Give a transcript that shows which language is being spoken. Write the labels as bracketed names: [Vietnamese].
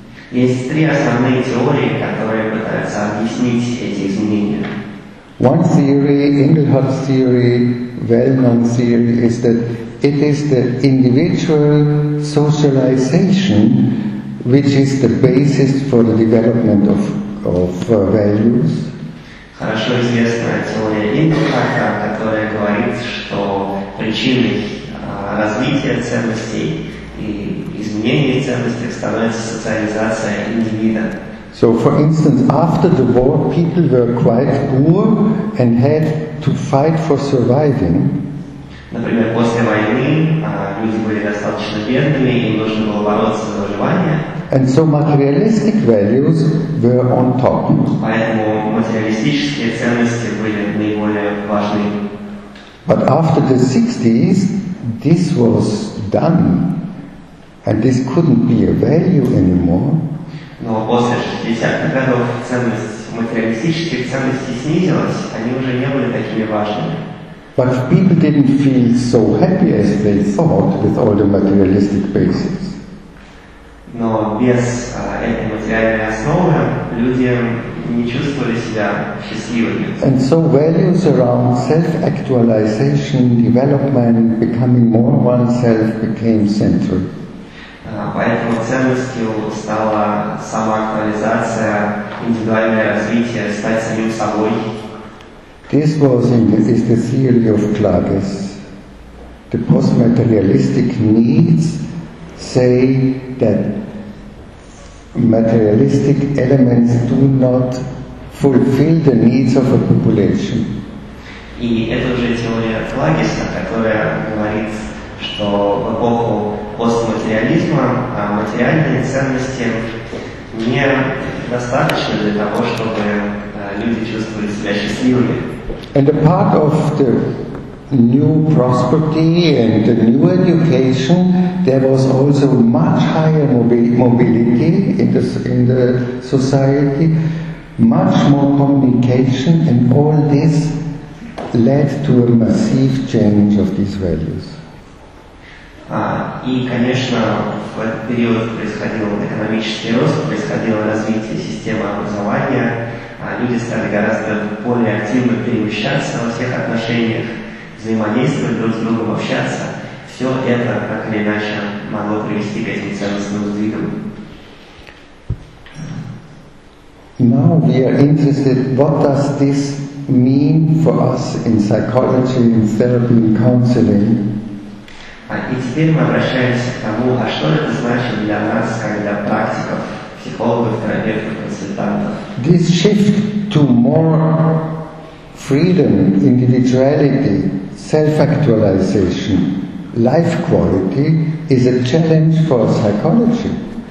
[Russian] Есть три основные теории, которые пытаются объяснить эти изменения. [English] One theory, Engelhardt's theory, well-known theory, is that it is the individual socialization which is the basis for the development of values. [Russian] Хорошо известная теория Engelhardt, которая говорит, что причиной развития ценностей и изменения ценностей становится социализация индивида. [English] So, for instance, after the war, people were quite poor and had to fight for surviving. [Russian] Например, после войны люди были достаточно бедными, им нужно было бороться за выживание. [English] And so materialistic values were on top. [Russian] Поэтому материалистические ценности были наиболее важны. [English] But after the 60s, this was done, and this couldn't be a value anymore. [Russian] Но после 60-х годов ценность материалистических ценностей снизилась, они уже не были такими важными. [English] But people didn't feel so happy as they thought with all the materialistic basis. [Russian] Но без этой материальной основы люди не чувствовали себя счастливыми. [English] And so values around self-actualization, development, becoming more oneself became central. [Russian] Поэтому ценностью стала самоактуализация, индивидуальное развитие, стать самим собой. [English] This was in the, is the theory of Klages. The post-materialistic needs say that materialistic elements do not fulfill the needs of a population. [Russian] И это уже теория Клагеса, которая говорит, что в эпоху постматериализма материальные ценности недостаточны для того, чтобы люди чувствовали себя счастливыми. [English] And a part of the new prosperity and the new education, there was also much higher mobility in the society, much more communication, and all this led to a massive change of these values. [Russian] И, конечно, в этот период происходил экономический рост, происходило развитие системы образования, люди стали гораздо более активно перемещаться во всех отношениях, взаимодействовать друг с другом, общаться. Все это, так или иначе, могло привести к этим ценностным сдвигам. [English] Now we are interested, what does this mean for us in psychology, in therapy, in counseling? [Russian] И теперь мы обращаемся к тому, а что это значит для нас, как для практиков, психологов, терапевтов, консультантов? [English] This shift to more freedom, individuality, self-actualization, life quality is a challenge for psychology.